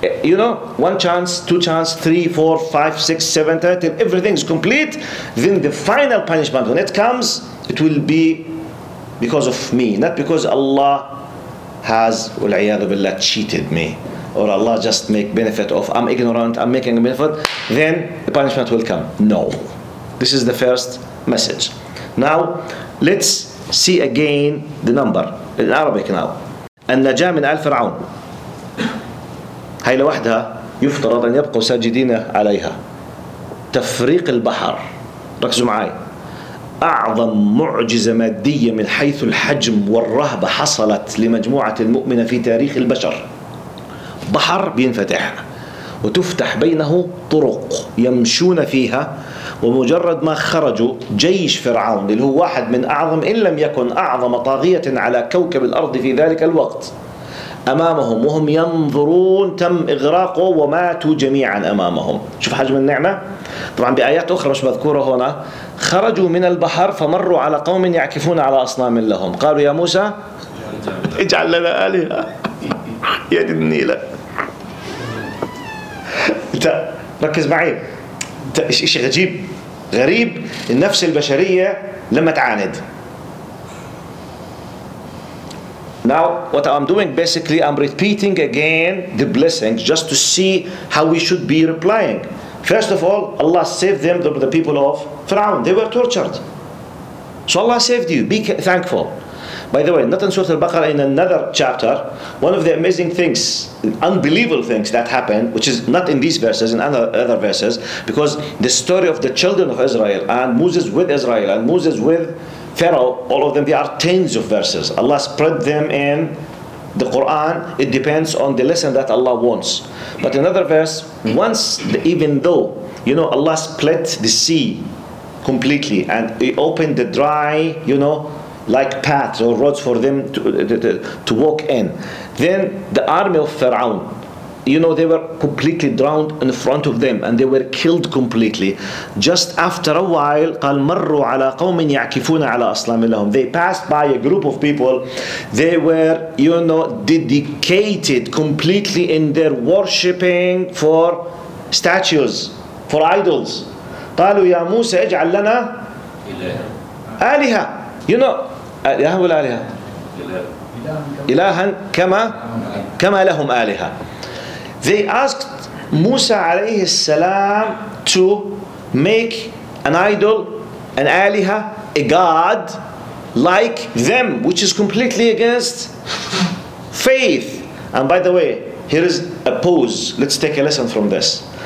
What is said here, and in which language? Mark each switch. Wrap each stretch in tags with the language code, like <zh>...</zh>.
<en>You know, one chance, two chance, three, four, five, six, seven, till everything is complete, then the final punishment, when it comes, it will be because of me, not because Allah has, wal-iyadu billah, cheated me. Or Allah just make benefit of, I'm ignorant, I'm making a benefit, then the punishment will come. No. This is the first message. Now, let's see again the number in Arabic now.</en> <ar>النجاة من آل فرعون. هاي لوحدها يفترض أن يبقوا ساجدين عليها. تفريق البحر. ركزوا معي. أعظم معجزة مادية من حيث الحجم والرهبة حصلت لمجموعة المؤمنة في تاريخ البشر. بحر بينفتح وتفتح بينه طرق يمشون فيها ومجرد ما خرجوا جيش فرعون اللي هو واحد من أعظم إن لم يكن أعظم طاغية على كوكب الأرض في ذلك الوقت أمامهم وهم ينظرون تم إغراقه وماتوا جميعا أمامهم. شوف حجم النعمة. طبعا بآيات أخرى مش مذكورة هنا خرجوا من البحر فمروا على قوم يعكفون على أصنام لهم قالوا يا موسى اجعل لنا آلهة يد النيلة. انت ركز معي، شيء غريب غريب، النفس البشرية لما تعاند.</ar> <en>Now what I'm doing basically, I'm repeating again the blessings just to see how we should be replying. First of all, Allah saved them, the people of Fir'aun. They were tortured. So Allah saved you. Be thankful. By the way, not in Surah Al-Baqarah, in another chapter, one of the amazing things, unbelievable things that happened, which is not in these verses, in other verses, because the story of the children of Israel and Moses with Israel and Moses with Pharaoh, all of them, they are tens of verses. Allah spread them in the Quran. It depends on the lesson that Allah wants. But another verse, once, even though, you know, Allah split the sea completely and he opened the dry, you know, like paths or roads for them to walk in. Then the army of Pharaoh you know, they were completely drowned in front of them and they were killed completely. Just after a while,</en> <ar>قال مروا على قوم يعكفون على أصنام لهم.</ar> <en>They passed by a group of people. They were, you know, dedicated completely in their worshipping for statues, for idols.</en> <ar>قالوا يا موسى اجعل لنا آلهة.</ar> <en>You know,</en> <ar>آلهة ولا آلهة؟ إلها كما لهم آلهة.</ar> <en>They asked Musa alayhi salam to make an idol, an aliha, a god like them, which is completely against faith. And by the way, here is a pause. Let's take a lesson from this.</en>